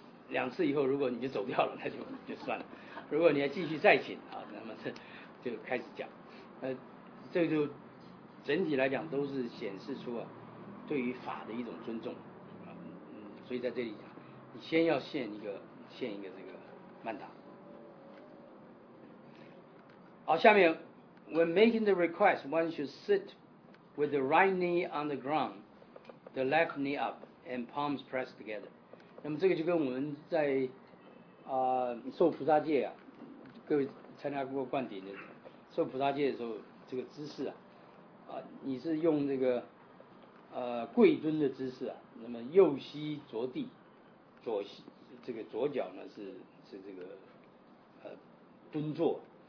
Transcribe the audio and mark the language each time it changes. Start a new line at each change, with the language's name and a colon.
Chinese: 两次以后，如果你就走掉了，那就算了；如果你要继续再请啊，那么就开始讲。这个、就整体来讲都是显示出啊，对于法的一种尊重啊、所以在这里讲，你先要献一个这个曼达。好，下面
English: ，when making the request, one should sit with the right knee on the ground, the left knee up, and palms pressed together.
Chinese: 那么这个就跟我们在受菩萨戒啊，各位参加过灌顶的受菩萨戒的时候，这个姿势啊，你是用这个跪蹲的姿势啊，那么右膝着地，左膝这个左脚呢是这个蹲坐。